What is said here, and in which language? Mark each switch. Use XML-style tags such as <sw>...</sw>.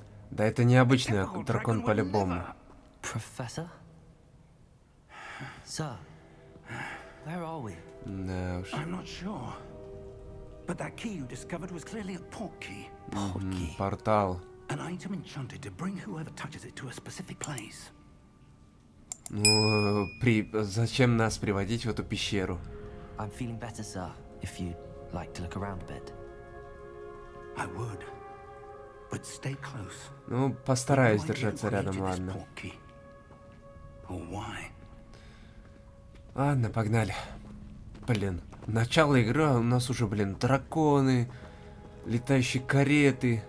<ru>Да это необычный дракон по-любому. Профессор? Сэр, где мы? Да уж. Я не уверен. Но эта ключ, которую ты открыл, явно портки. Портал.</ru> <en>И item enchanted to bring whoever touches it to a specific place.</en> <ru>Ну, зачем нас приводить в эту пещеру?</ru> <en>I'm feeling better, sir, if you'd like to look around a bit. I would. But stay close.</en> <ru>Ну, постараюсь держаться рядом, ладно.</ru> <en>Why?</en> <ru>Ладно, погнали. Блин, начало игры, а у нас уже, блин, драконы, летающие кареты.</ru>